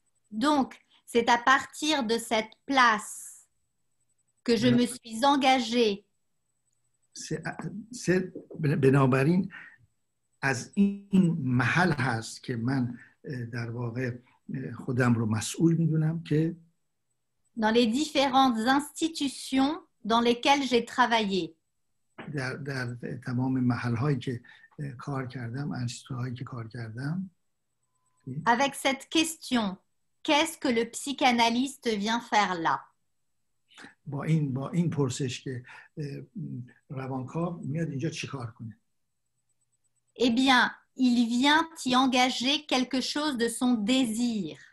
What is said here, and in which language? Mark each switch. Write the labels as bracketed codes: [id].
[fr] Donc, c'est à partir de cette place que je me suis engagé. C'est [fa] بنابراین از این محل هست که من در واقع خودم رو مسئول میدونم که [fr] dans les différentes institutions dans lesquelles j'ai travaillé [fa] در تمام محل‌هایی که کار کردم انستیتوهایی که کار کردم [fr] avec cette question qu'est-ce que le psychanalyste vient faire là [fa] با این پرسش که روانکاو میاد اینجا چیکار کنه [fr] eh bien Il vient y engager quelque chose de son désir.